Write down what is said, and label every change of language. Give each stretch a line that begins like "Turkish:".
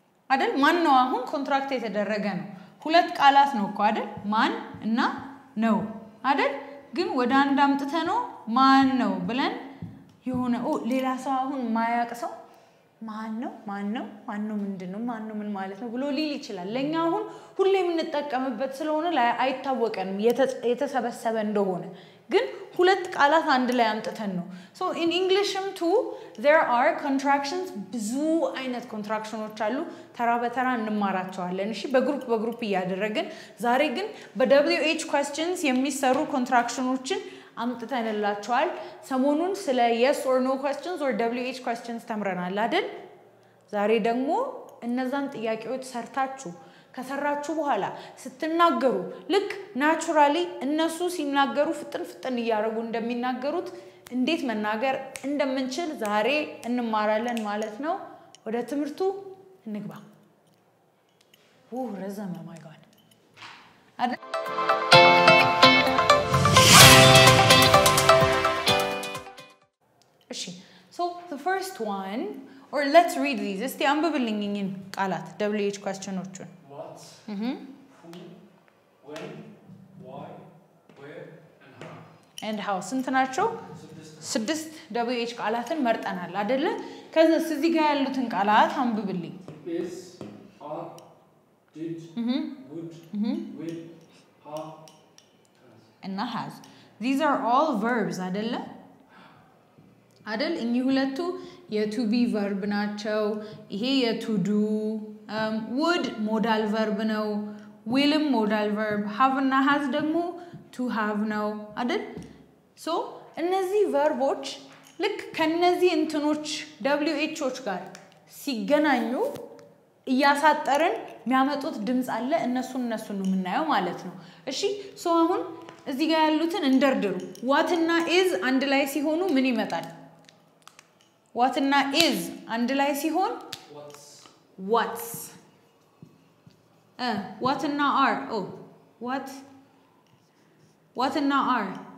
Amharic: አይደል ማን ነው አሁን ኮንትራክት የተደረገ ነው ሁለት ቃላት ነው እኮ አይደል ማን እና ነው አይደል ግን ወደ አንድ አምጥተ ነው ማን ነው ብለን የሆነ ኦ ሌላ ሰው አሁን ማያቅ ሰው ማን ነው ማን ነው ማን ነው ምንድነው ማን ነው ምን ማለት ነው ብሎ ሊል ይችላል. ለኛ አሁን ሁሌ የምንጠቀምበት ስለሆነ አይታወቀንም የተሰበሰበ እንደሆነ. ግን ሁለት ቃላት አንድ ላይ አምጥተን ነው.
English: so in english too there are contractions.
Amharic: ብዙ አይነት ኮንትራክሽኖች አሉ. ተራ በተራ እንማራቸዋለን. እሺ በግሩፕ በግሩፕ እያደረግን ዛሬ ግን በwh questions የሚሰሩ ኮንትራክሽኖችን አምጥተንላችኋል. ሰሞኑን ስለ
English: yes or no questions or wh questions
Amharic: ተምረናል አይደል? ዛሬ ደግሞ እነዛን ጥያቄዎች ሰርታችሁ ከሰራችሁ በኋላ ስትናገሩ ልክ ናቹራሊ እነሱ ሲናገሩ ፍጥን ፍጥን እያደረጉ እንደሚናገሩት እንዴት መናገር እንደምንችል ዛሬ እንማራለን ማለት ነው. ወደ ትምህርቱ እንግባ. ኡህ ረዘመ ማይ ጋድ. እሺ
English: so the first one or let's read these.
Amharic: እስቲ አንብብልኝ እኚህን ቃላት WH questions-ዎቹን.
English: Who, when, why, where, and how. And how.
Amharic: ስንት ናቸው? ስድስት WH ቃላትን መርጠናል አይደለ? ከዛ እዚህ ጋር ያሉትን ቃላት አንብብልኝ.
English: Is, are, did, would, will, have, and has. These are all verbs
Amharic: አይደለ? አይደል? እኚህ ሁለቱ የቱ ቢ ቨርብ ናቸው. ይሄ የቱ ዱ
English: would modal verb
Amharic: ነው.
English: will modal verb. have
Amharic: እና
English: has
Amharic: ደግሞ
English: to have
Amharic: ነው አይደል?
English: so
Amharic: እነዚህ verbዎች ልክ ከነዚህ እንትኖች WH-ዎች ጋር ሲገናኙ እያሳጠረን የሚያመጡት ድምጽ አለ. እነሱ ነው የምናየው ማለት ነው. እሺ
English: so
Amharic: አሁን እዚህ ጋር ያሉትን እንደርድሩ. what እና is አንድ ላይ ሲሆኑ ምን ይመጣል?
English: what
Amharic: እና
English: is
Amharic: አንድ ላይ ሲሆን
English: what's what and not are oh what and not are